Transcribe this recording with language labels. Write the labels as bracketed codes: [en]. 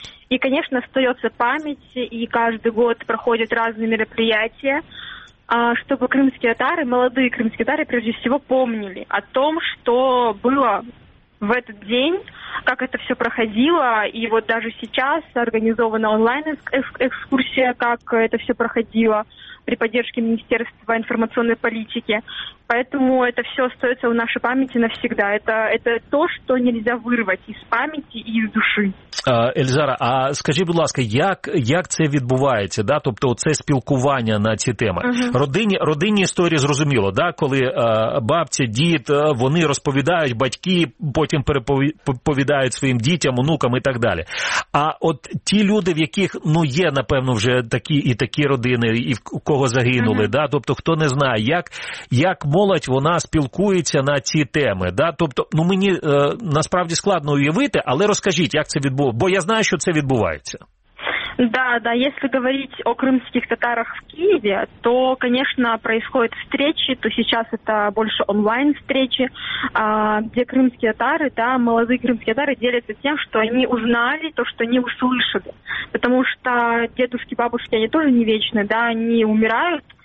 [ru] И, конечно, остается память, и каждый год проходят разные мероприятия, чтобы крымские татары, молодые крымские татары, прежде всего, помнили о том, что было в этот день, как это все проходило, и вот даже сейчас организована онлайн-экскурсия, как это все проходило при поддержке Министерства информационной политики. Поэтому это все остается в нашей памяти навсегда. Это то, что нельзя вырвать из памяти и из души. [uk] Ельзара, а скажи, будь ласка, як це відбувається, да? Тобто це спілкування на ці теми. Uh-huh. Родинні історії зрозуміло, да? Коли бабці, дід, вони розповідають, батьки потім переповідають своїм дітям, онукам і так далі. А от ті люди, в яких, ну, є, напевно, вже такі і такі родини, і в кого загинули, uh-huh. да? Тобто хто не знає, як молодь, вона спілкується на ці теми, да? Тобто, ну, мені насправді складно уявити, але розкажіть, як це відбувається. Бо я знаю, що це відбувається. [ru] Да, да, если говорить о крымских татарах в Киеве, то, конечно, происходят встречи, то сейчас это больше онлайн-встречи, где крымские татары, да, молодые крымские татары делятся тем, что они узнали то, что они услышали. Потому что дедушки, бабушки, они тоже не вечны, да, они умирают.